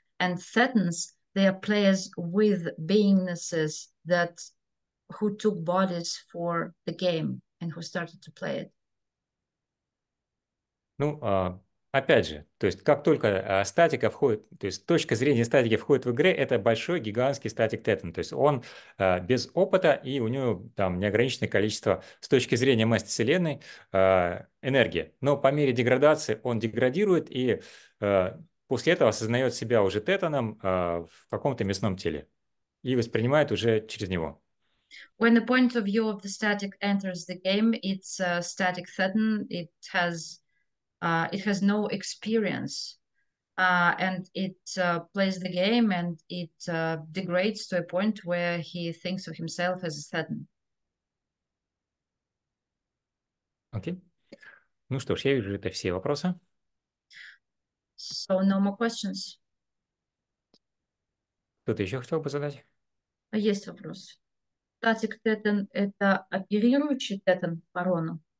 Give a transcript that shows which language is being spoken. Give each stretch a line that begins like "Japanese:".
English: And thetans, they are players with beingnesses that who took bodies for the game and who started to play it.
Russian: Ну, опять же, то есть как только статика входит, то есть точка зрения статики входит в игре, это большой гигантский статик тетан. То есть он без опыта, и у него там неограниченное количество с точки зрения массы Вселенной энергии. Но по мере деградации он деградирует и после этого осознает себя уже тетаном в каком-то мясном теле и воспринимает уже через него.
English: When the point of view of the static enters the game, it's a static thetan. It has no experience, and it plays the game, and it degrades to a point where he thinks of himself as a thetan. Okay.
Russian: Ну что ж, я вижу, это все вопросы.
English: So no more questions.
Russian: Кто-то еще хотел бы задать? Есть вопрос. Статик тетен – это оперирующий тетен барону?